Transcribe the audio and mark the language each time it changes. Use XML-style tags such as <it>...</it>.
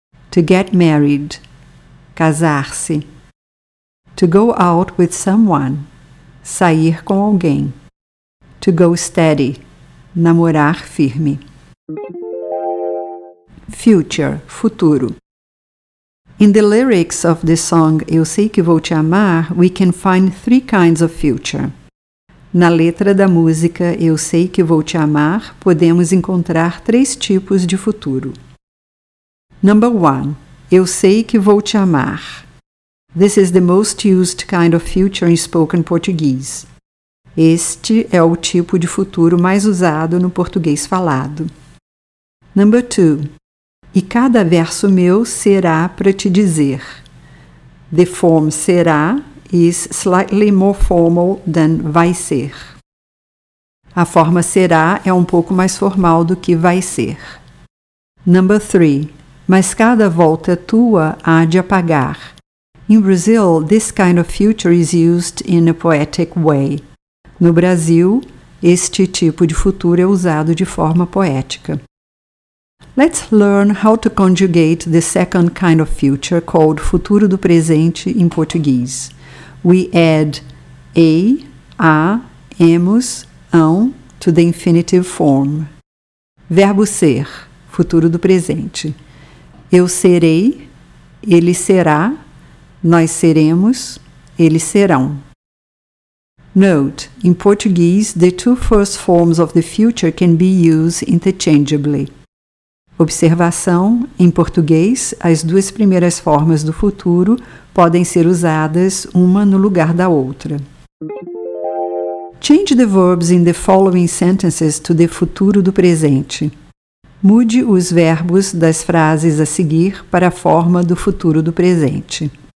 <en>To get married,</en> <pt>casar-se.</pt> <en>To go out with someone,</en> <pt>sair com alguém.</pt> <en>To go steady,</en> <pt>namorar firme.</pt> <en>Future, futuro. In the lyrics of the song Eu Sei Que Vou Te Amar, we can find three kinds of future.</en> <pt>Na letra da música Eu Sei Que Vou Te Amar, podemos encontrar três tipos de futuro.</pt> <en>Number one, Eu Sei Que Vou Te Amar. This is the most used kind of future in spoken Portuguese.</en> <pt>Este é o tipo de futuro mais usado no português falado.</pt> <en>Number two,</en> <pt>e cada verso meu será para te dizer.</pt> <en>The form será is slightly more formal than vai ser.</en> <pt>A forma será é um pouco mais formal do que vai ser.</pt> <en>Number three,</en> <pt>mas cada volta tua há de apagar.</pt> <en>In Brazil, this kind of future is used in a poetic way.</en> <pt>No Brasil, este tipo de futuro é usado de forma poética.</pt> <en>Let's learn how to conjugate the second kind of future called futuro do presente in Portuguese. We add a, a, emos, ão to the infinitive form.</en> <pt>Verbo ser, futuro do presente. Eu serei, ele será, nós seremos, eles serão.</pt> <en>Note, in Portuguese, the two first forms of the future can be used interchangeably.</en> <pt>Observação, em português, as duas primeiras formas do futuro podem ser usadas uma no lugar da outra.</pt> <en>Change the verbs in the following sentences to the futuro do presente.</en> <pt>Mude os verbos das frases a seguir para a forma do futuro do presente.</pt>